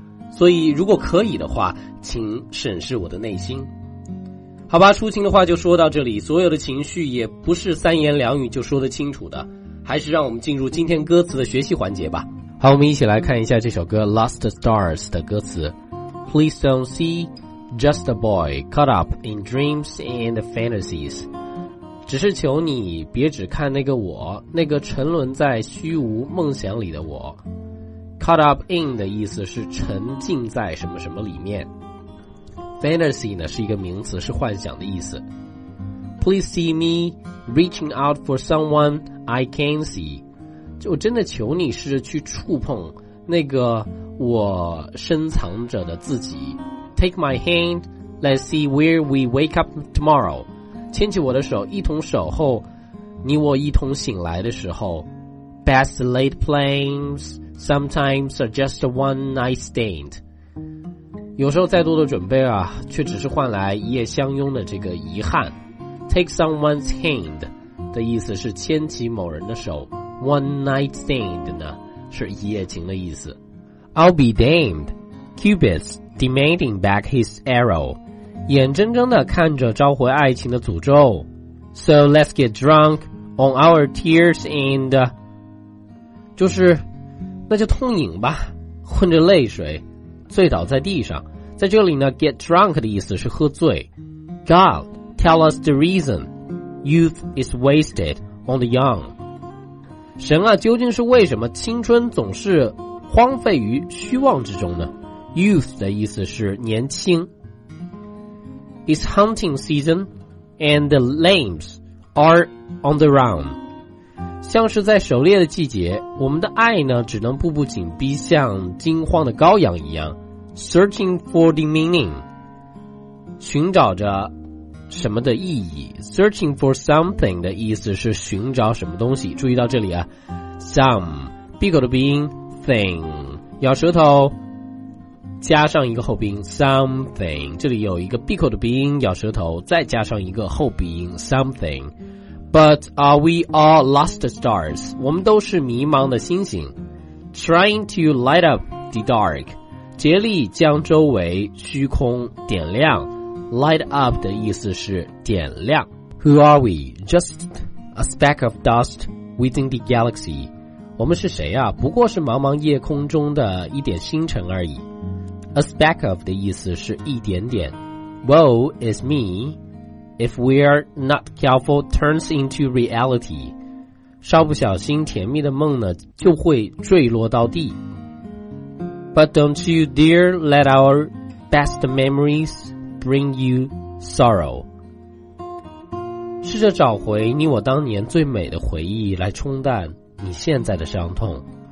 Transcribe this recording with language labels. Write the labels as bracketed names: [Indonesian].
[Chinese] 所以如果可以的话，请审视我的内心。好吧，抒情的话就说到这里，所有的情绪也不是三言两语就说得清楚的，还是让我们进入今天歌词的学习环节吧。好，我们一起来看一下这首歌 Lost Stars 的歌词。 [English] Please don't see just a boy caught up in dreams and fantasies， [Chinese] 只是求你别只看那个我，那个沉沦在虚无梦想里的我。 Caught up in 的意思是沉浸在什么什么里面。 Fantasy 呢是一个名词，是幻想的意思。 [English] Please see me reaching out for someone I can see， [Chinese] 就真的求你试着去触碰那个我深藏着的自己。 [English] Take my hand, let's see where we wake up tomorrow， [Chinese] 牵起我的手，一同守候你我一同醒来的时候。 [English] Best laid plansSometimes are just a one night stand， [Chinese] 有时候再多的准备啊，却只是换来一夜相拥的这个遗憾。 Take someone's hand 的意思是牵起某人的手， One night stand 呢是一夜情的意思。 [English] I'll be damned Cupid's demanding back his arrow， [Chinese] 眼睁睁的看着召回爱情的诅咒。 [English] So let's get drunk on our tears and [Chinese] 就是那就痛饮吧，混着泪水醉倒在地上。在这里呢， get drunk 的意思是喝醉。 [English] God tell us the reason youth is wasted on the young， [Chinese] 神啊，究竟是为什么青春总是荒废于虚妄之中呢？ youth 的意思是年轻。 [English] It's hunting season and the lambs are on the run， [Chinese] 像是在狩猎的季节，我们的爱呢只能步步紧逼，像惊慌的羔羊一样。 [English] Searching for the meaning， [Chinese] 寻找着什么的意义。 Searching for something 的意思是寻找什么东西。注意到这里啊， some 闭口的鼻音 thing， 咬舌头加上一个后鼻音 something， 这里有一个闭口的鼻音咬舌头，再加上一个后鼻音 [English] somethingBut are we all lost stars? [Chinese] 我们都是迷茫的星星。 [English] Trying to light up the dark， [Chinese] 竭力将周围虚空点亮。 Light up 的意思是点亮。 [English] Who are we? Just a speck of dust within the galaxy， [Chinese] 我们是谁啊？不过是茫茫夜空中的一点星辰而已。 A speck of 的意思是一点点。 [English] Woe is meIf we're not careful, turns into reality. [Chinese] 稍不小心，甜蜜的梦呢，就会坠落到地。 [English] But don't you dare let our best memories bring you sorrow. [Chinese] 试着找回你我当年最美的回忆来冲淡你现在的伤痛。